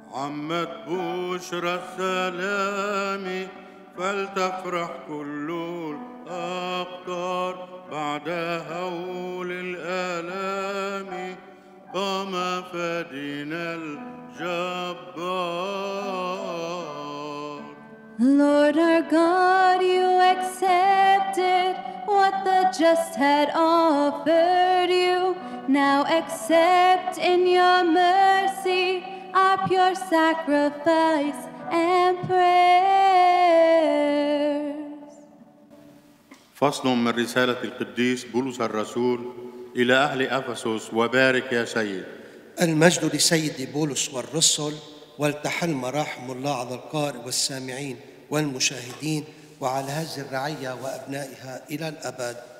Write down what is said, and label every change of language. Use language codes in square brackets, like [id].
[ar] عمت بشرى السلام فلتفرح كل الأقطار بعد هول الآلام قام فادينا الجبار. [en] Lord our God, you accepted what the just had offered you. Now accept in your mercy our pure sacrifice and prayers. [ar] فصل من رسالة القديس بولس الرسول إلى أهل أفسس وبارك يا سيد. المجد لسيد بولس والرسل والتحل مراحم الله على القارئ والسامعين والمشاهدين وعلى هذه الرعية وأبنائها إلى الأبد.